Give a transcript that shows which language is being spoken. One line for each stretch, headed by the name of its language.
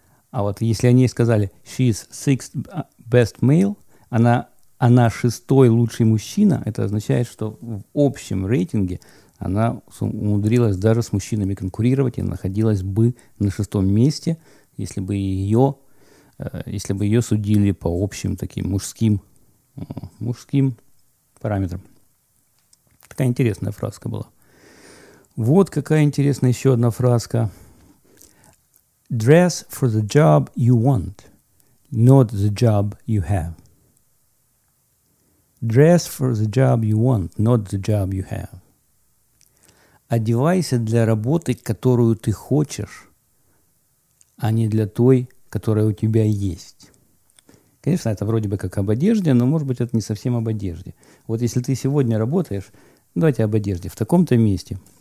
Russian: А вот если они сказали
English: «she is sixth best male»,
Russian: она шестой лучший мужчина, это означает, что в общем рейтинге она умудрилась даже с мужчинами конкурировать и находилась бы на шестом месте, если бы ее судили по общим таким мужским параметрам. Такая интересная фразка была. Вот какая интересная еще одна фразка.
English: Dress for the job you want, not the job you have. Dress for the job you want, not the job you have.
Russian: Одевайся для работы, которую ты хочешь, а не для той, которая у тебя есть. Конечно, это вроде бы как об одежде, но, может быть, это не совсем об одежде. Вот если ты сегодня работаешь, давайте об одежде, в таком-то месте.